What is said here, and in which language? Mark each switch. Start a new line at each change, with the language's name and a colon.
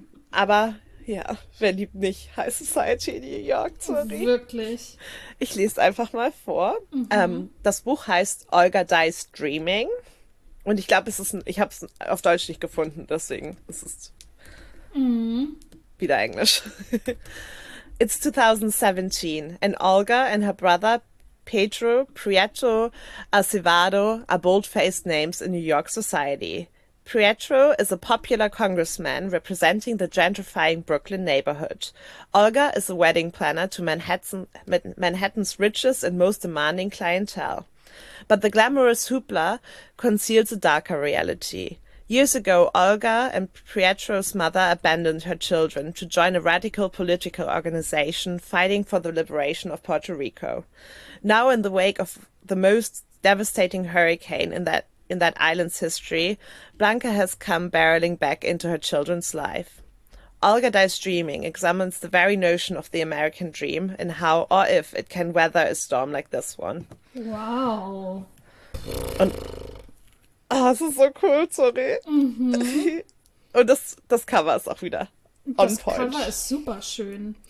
German: Aber ja, wer liebt nicht High Society in New York, sorry. Wirklich. Ich lese einfach mal vor. Das Buch heißt Olga Dies Dreaming. Und ich glaube, ich habe es auf Deutsch nicht gefunden, deswegen ist es wieder Englisch.
English: It's 2017 and Olga and her brother Pedro Prieto Acevedo are bold-faced names in New York society. Pietro is a popular congressman representing the gentrifying Brooklyn neighborhood. Olga is a wedding planner to Manhattan's richest and most demanding clientele. But the glamorous hoopla conceals a darker reality. Years ago, Olga and Pietro's mother abandoned her children to join a radical political organization fighting for the liberation of Puerto Rico. Now, in the wake of the most devastating hurricane in that island's history, Blanca has come barreling back into her children's life. Olga Dies Dreaming examines the very notion of the American dream and how or if it can weather a storm like this one. Wow.
German: Es ist so cool, sorry. Und das Cover ist auch wieder Das Cover ist super schön.